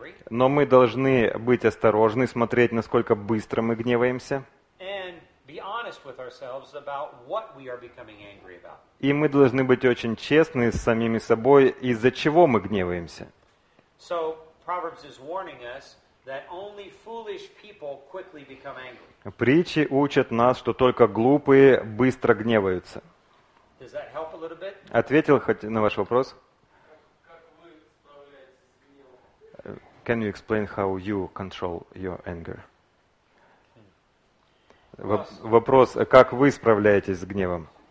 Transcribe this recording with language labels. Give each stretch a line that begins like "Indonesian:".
Russian: Но мы должны быть осторожны, смотреть, насколько быстро мы гневаемся. И мы должны быть очень честны с самими собой, из-за чего мы гневаемся.
English: So, Proverbs is warning us that only foolish people quickly become angry.
Russian: Притчи учат нас, что только глупые быстро гневаются.
English: Does that help a little bit?
Russian: Ответил хоть на ваш вопрос? Как вы справляетесь с гневом?
English: Can you explain how you control your anger?
Russian: Вопрос, как вы справляетесь с гневом?